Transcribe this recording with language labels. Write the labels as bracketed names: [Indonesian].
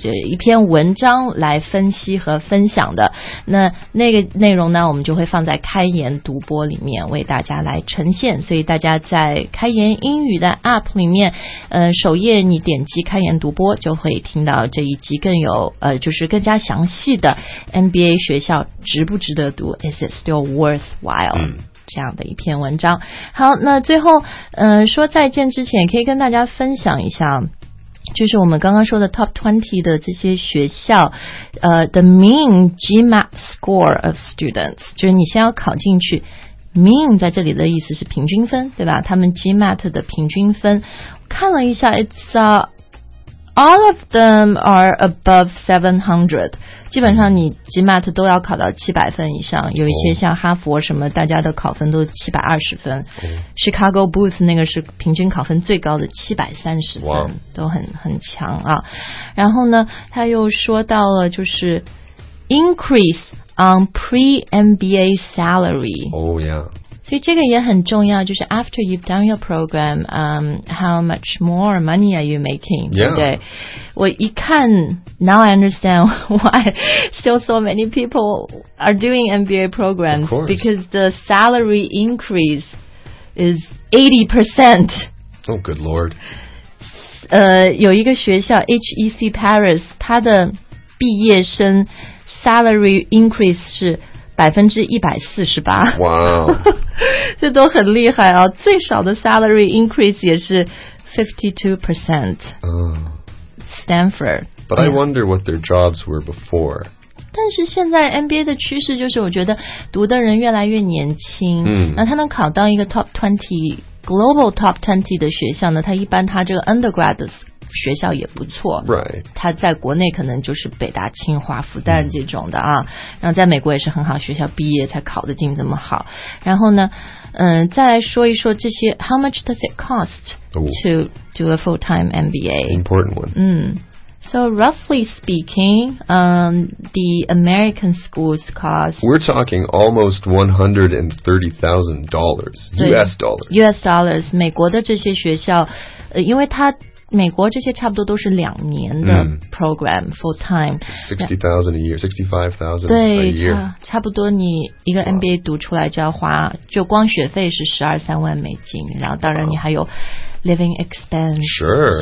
[Chinese] 一篇文章来分析和分享的那个内容呢我们就会放在开言读播里面为大家来呈现所以大家在开言英语的 app 里面首页你点击开言读播就会听到这一集更有就是更加详细的 MBA 学校值不值得读 [English] is it still worthwhile、 [Chinese] 这样的一篇文章好那最后说再见之前可以跟大家分享一下就是我们刚刚说的 top 20的这些学校， [English] the mean GMAT score of students， [Chinese] 就是你先要考进去。 mean 在这里的意思是平均分，对吧？他们 GMAT 的平均分，看了一下 ， [English] it's all of them are above 700。 [Chinese] 基本上你 GMAT 都要考到700分以上，有一些像哈佛什么，大家的考分都720分。 Chicago Booth 那个是平均考分最高的730分，都很强啊。然后呢，他又说到了就是 [English] increase on pre-MBA salary。 [Chinese] 所以这个也很重要，就是 [English] after you've done your program, how much more money are you making? Yeah. [Chinese] 对不对？我一看 [English] now I understand why still so many people are doing MBA programs. Of course. Because the salary increase is 80%. Oh, good lord. [Chinese] 有一个学校 HEC Paris, 它的毕业生 salary increase 是148%。哇、wow. 这都很厉害啊，最少的 salary increase 也是 52%、Stanford. [English] But、yeah. I wonder what their jobs were before. [Chinese] 但是现在 MBA 的趋势就是我觉得读的人越来越年轻、 mm. 那他能考到一个 top 20 global top 20的学校呢，他一般他这个 undergrad 的学校也不错、 [English] right. [Chinese] 他在国内可能就是北大清华复旦这种的啊、嗯、然后在美国也是很好学校毕业才考得进这么好然后呢再来说一说这些 [English] How much does it cost、 oh. to do a full-time MBA? Important one、 So roughly speaking、the American schools cost We're talking almost $130,000 US dollars [Chinese] US dollars 美国的这些学校、因为它美国这些差不多都是两年的 program、mm. [English] full time $60,000 a year $65,000 a year [Chinese] 对 差不多你一个 MBA 读出来就要花、wow. 就光学费是12-13万美金然后当然你还有 living expense、